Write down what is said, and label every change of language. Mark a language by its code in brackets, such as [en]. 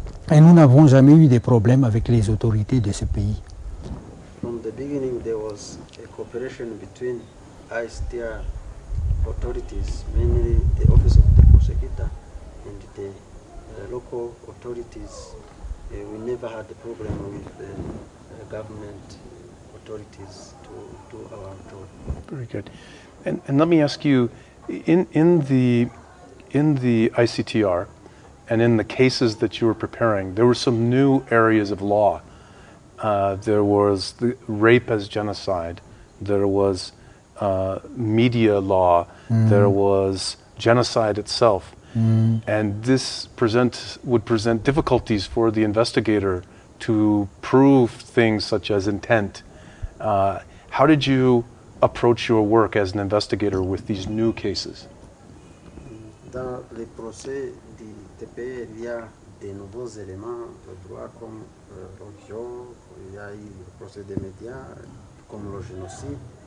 [fr] Et nous n'avons jamais eu de problèmes avec les autorités de ce pays. [en] From the beginning, there was a cooperation between ICTR authorities, mainly the Office of the Prosecutor and the local authorities. We never had a problem with the government authorities to do our job. Very good. And let me ask you, in the ICTR and in the cases that you were preparing, there were some new areas of law. There was the rape as genocide, there was media law, there was genocide itself. And this would present difficulties for the investigator to prove things such as intent. How did you approach your work as an investigator with these new cases? [fr] Dans les procès du TPE, il y a des nouveaux éléments de droit comme religion. Il y a eu le procès des médias, comme le génocide.